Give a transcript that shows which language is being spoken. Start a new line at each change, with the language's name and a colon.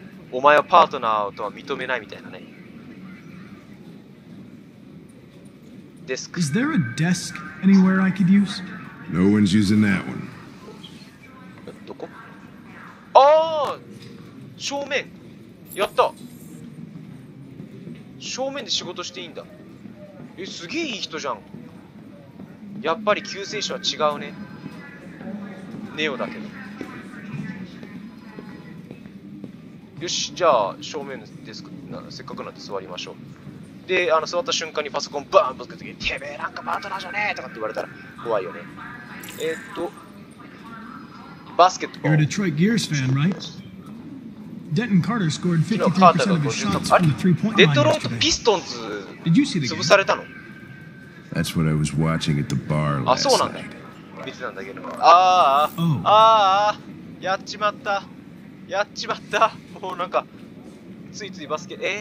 Japanese: お前はパートナーとは認めないみたいなね。デスク。
English: Is there a desk anywhere I could use? No one's using that one.
Japanese: どこ？ああ、正面。やった。正面で仕事していいんだ。え、すげえいい人じゃん。やっぱり救世主は違うね。ネオだけど。よし、じゃあ正面のデスクな、せっかくなんで座りましょう。で、座った瞬間にパソコンバーンぶつけて、てめえなんかパートナーじゃねえとかって言われたら怖いよね。バスケットボール。
English: You're a Detroit Gears fan, right? Denton Carter scored 53% of his shots from the three-point line yesterday. Detroit Pistons. Did you see the game? That's what I was watching at the bar last night.
Japanese: あ、そうなんだ。見てたんだけど。ああ、ああ、やっちまった。やっちまった。もうなんかついついバスケ。